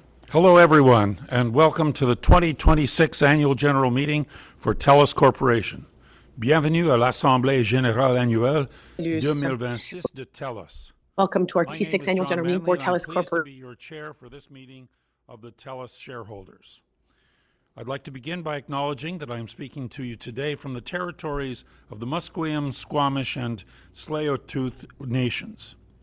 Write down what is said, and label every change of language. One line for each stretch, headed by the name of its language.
English: Hello, everyone, and welcome to the 2026 Annual General Meeting for TELUS Corporation.
French: Bienvenue à l'Assemblée Générale Annuelle 2026 de TELUS.
English: Welcome to our 26th Annual General Meeting for TELUS Corporation. I'm pleased to be your chair for this meeting of the TELUS shareholders. I'd like to begin by acknowledging that I am speaking to you today from the territories of the Musqueam, Squamish, and Tsleil-Waututh Nations.